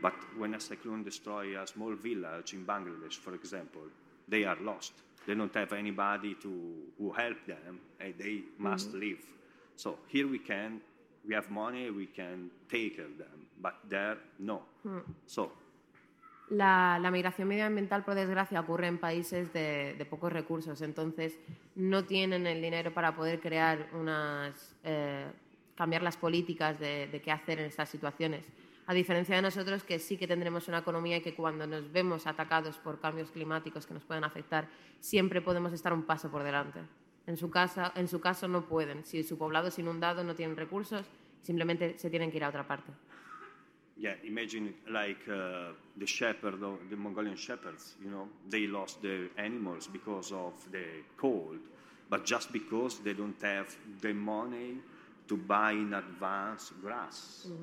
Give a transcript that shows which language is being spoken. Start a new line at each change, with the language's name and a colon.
English: But when a cyclone destroys a small village in Bangladesh, for example, they are lost. They don't have anybody who help them, and they must leave. So here we have money, we can take them, but there, no. So.
Spanish: La migración medioambiental, por desgracia, ocurre en países de pocos recursos. Entonces, no tienen el dinero para poder crear cambiar las políticas de qué hacer en estas situaciones. A diferencia de nosotros, que sí que tendremos una economía y que cuando nos vemos atacados por cambios climáticos que nos puedan afectar, siempre podemos estar un paso por delante. En su caso no pueden. Si su poblado es inundado, no tienen recursos, simplemente se tienen que ir a otra parte.
English: Yeah, imagine like the shepherd, the Mongolian shepherds, you know, they lost their animals because of the cold, but just because they don't have the money to buy in advance grass.